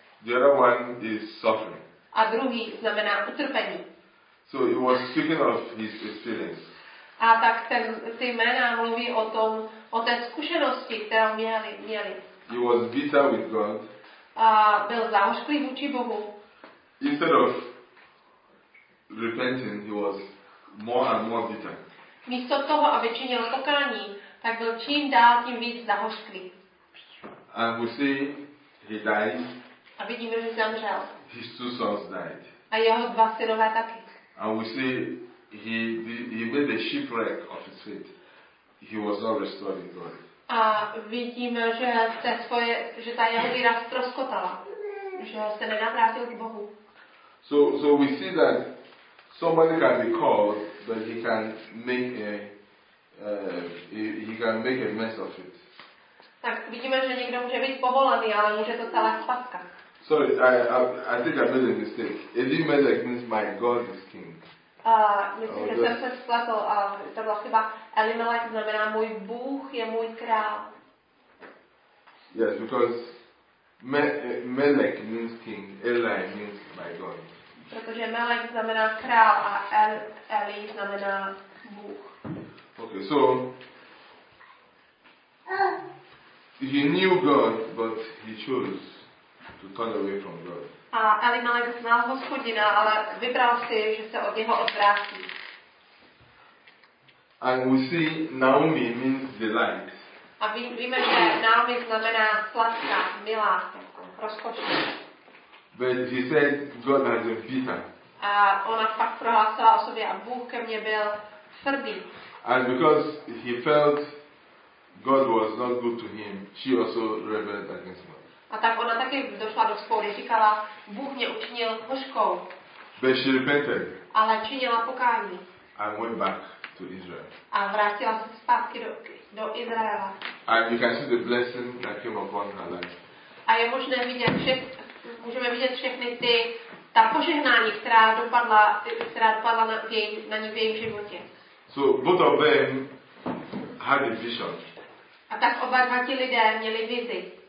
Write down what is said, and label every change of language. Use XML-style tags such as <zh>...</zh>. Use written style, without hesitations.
<en>The other one is suffering.</en> <cs>A druhý znamená utrpení.</cs> <en>So he was speaking of his experience.</en> <cs>A tak ty jména mluví o tom, o té zkušenosti, kterou měli.</cs> <en>He was bitter with God.</en> <cs>A byl zahořklý vůči Bohu.</cs> <en>Instead of repenting, he was more and more bitter.</en> <cs>Místo toho, aby činil pokání, tak byl čím dál tím víc zahořklý.</cs> <en>And we see he died.</en> <cs>A vidíme, že zemřel.</cs> <en>His two sons died.</en> <cs>A jeho dva synové taky.</cs> <en>And we see he made a shipwreck of his faith. He was not restored in God.</en> <cs>A vidíme, že se svoje, že ta jeho víra ztroskotala, že se nenavrátil k Bohu.</cs> <en>So we see that somebody can be called, but he can make a mess of it.</en> <cs>Tak vidíme, že někdo může být povolaný, ale může to celá spatka.</cs> <en>Sorry, I think I made a mistake. Elimelech means my God is king.</en> <cs>Myslím, že jsem se spletl a to byla chyba. Elimelech znamená můj Bůh je můj král.</cs> <en>Yes, because Melech means king, Eli means my God.</en> <cs>Protože Melech znamená král a Eli znamená Bůh.</cs> <en>Okay, so he knew God, but he chose to turn away from God.</en> <cs>A Elimelech znal Hospodina, ale vybral si, že se od něho odvrátí.</cs> <en>And we see Naomi means delight.</en> <cs>A víme, že Naomi znamená sladká, milá, rozkošná.</cs> <en>But he said God has been bitter.</en> <cs>A ona pak prohlásila o sobě a Bůh ke mně byl tvrdý.</cs> <en>And because he felt God was not good to him, she also rebelled against God.</en> <cs>A tak ona taky došla do spory, říkala, Bůh mě učinil hořkou.</cs> <en>But she repented.</en> <cs>Ale činila pokání.</cs> <en>And went back to Israel.</en> <cs>A vrátila se zpátky do Izraela.</cs> <en>And you can see the blessing that came upon her life.</en> <cs>A je možné vidět všechny ty ta požehnání, která dopadla na ní v jejím životě.</cs> <en>So both of them had a vision.</en> <cs>A tak oba dva ti lidé měli vizi.</cs>